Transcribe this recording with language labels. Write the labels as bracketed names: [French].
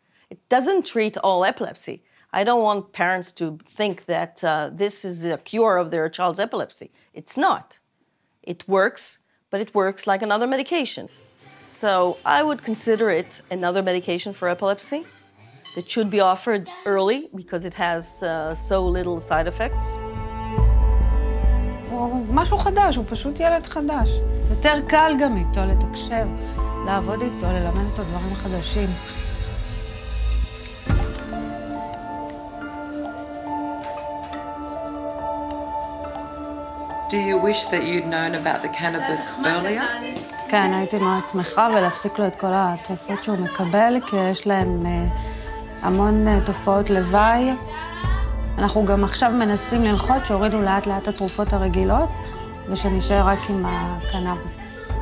[English] It doesn't treat all epilepsy. I don't want parents to think that this is a cure of their child's epilepsy. It's not. It works, but it works like another medication. So I would consider it another medication for epilepsy. It should be offered early because it has so little side effects. [Hebrew] משהו חדש, הוא פשוט ילד חדש. יותר קל גם איתו לתקשר, לעבוד איתו, ללמד אותו דברים חדשים. [English] Do you wish that you'd known about the cannabis earlier? [Hebrew] כן, הייתי מאוד שמחה ולהפסיק לו את כל התרופות שהוא מקבל, כי יש להם המון תופעות לוואי. אנחנו גם עכשיו מנסים ללחוץ שהורידו לאט לאט התרופות הרגילות ושנשאר רק עם הקנאביס.